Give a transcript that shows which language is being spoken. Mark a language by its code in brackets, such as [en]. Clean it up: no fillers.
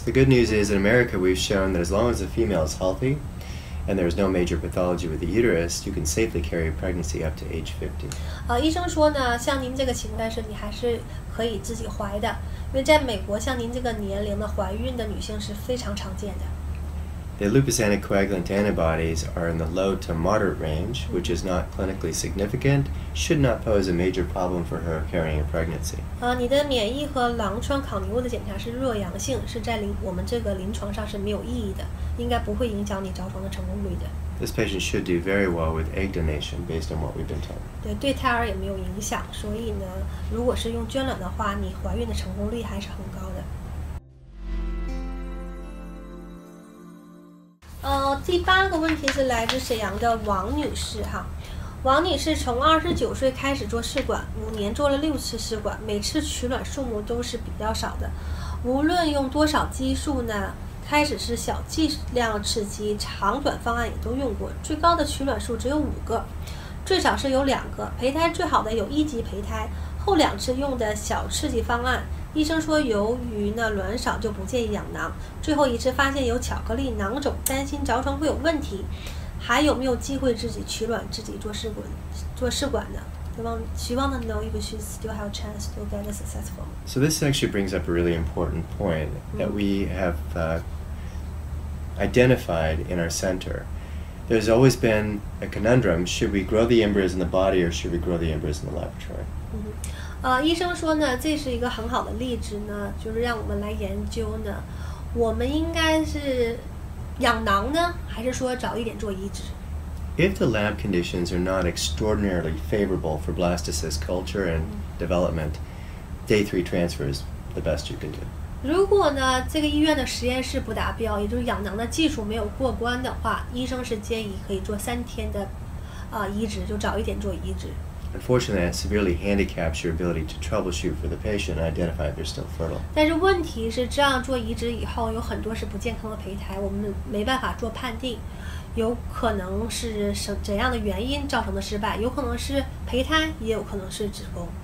[en] The good news is in America, we've shown that as long as the female is healthy and there's no major pathology with the uterus, you can safely carry a pregnancy up to age 50. [zh] 医生说呢，像您这个情况是你还是可以自己怀的，因为在美国像您这个年龄的怀孕的女性是非常常见的。 [en] The lupus anticoagulant antibodies are in the low to moderate range, which is not clinically significant, should not pose a major problem for her carrying a pregnancy. [zh] 你的免疫和狼疮抗凝物的检查是弱阳性，是在我们这个临床上是没有意义的，应该不会影响你着床的成功率的。 [en] This patient should do very well with egg donation based on what we've been told. [zh] 对胎儿也没有影响，所以呢，如果是用捐卵的话，你怀孕的成功率还是很高的。第八个问题是来自沈阳的王女士哈，王女士从29岁开始做试管，5年做了6次试管，每次取卵数目都是比较少的，无论用多少激素呢，开始是小剂量刺激，长短方案也都用过，最高的取卵数只有5个，最少是有2个，胚胎最好的有1级胚胎，后2次用的小刺激方案。医生说由于呢卵少就不建议养囊，最后一次发现有巧克力囊肿，担心着床会有问题，还有没有机会自己取卵自己做试管呢？希望呢 [en] know if she still have a chance to get successful. So this actually brings up a really important point that we have identified in our center. There's always been a conundrum, should we grow the embryos in the body or should we grow the embryos in the laboratory? [zh] 医生说呢，这是一个很好的例子呢，就是让我们来研究呢，我们应该是养囊呢，还是说早一点做移植？ [en] If the lab conditions are not extraordinarily favorable for blastocyst culture and development, day 3 transfer is the best you can do. [zh] 如果呢，这个医院的实验室不达标，也就是养囊的技术没有过关的话，医生是建议可以做3天的移植，就早一点做移植。 [en] Unfortunately, that severely handicaps your ability to troubleshoot for the patient and identify if they're still fertile. [zh] 但是问题是，这样做移植以后，有很多是不健康的胚胎，我们没办法做判定，有可能是怎样的原因造成的失败，有可能是胚胎，也有可能是子宫。